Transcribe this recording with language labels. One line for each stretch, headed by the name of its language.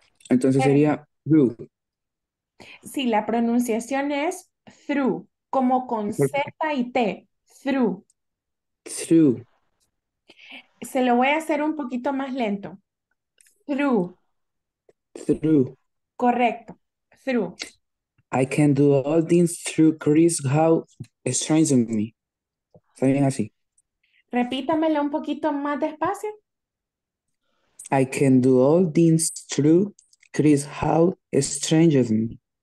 Spanish: Entonces sería through. Sí, la pronunciación es through, como con Z y T, through.
English: Through.
Spanish: Se lo voy a hacer un poquito más lento.
English: Through. Through.
Spanish: Correcto, through.
English: I can do all things through Christ who strengthens me.
Spanish: Está bien así. Repítamelo un poquito más despacio.
English: I can do all things through Christ who strengthens me.